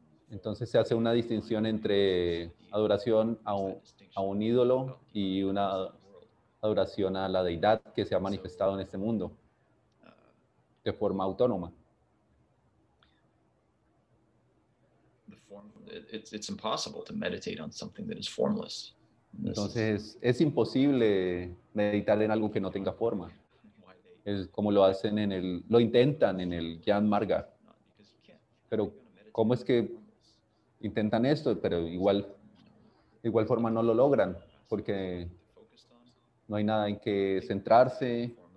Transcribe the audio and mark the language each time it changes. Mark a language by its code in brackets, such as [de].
[es] Entonces se hace una distinción entre adoración a un ídolo y una adoración a la deidad que se ha manifestado en este mundo de forma autónoma. [en] It's impossible to meditate on something that is formless. [es] Entonces, es imposible meditar en algo que no tenga forma. Es como lo hacen lo intentan en el Gyan Marga. Pero, ¿cómo es que intentan esto? Pero igual forma no lo logran, porque no hay nada en qué centrarse.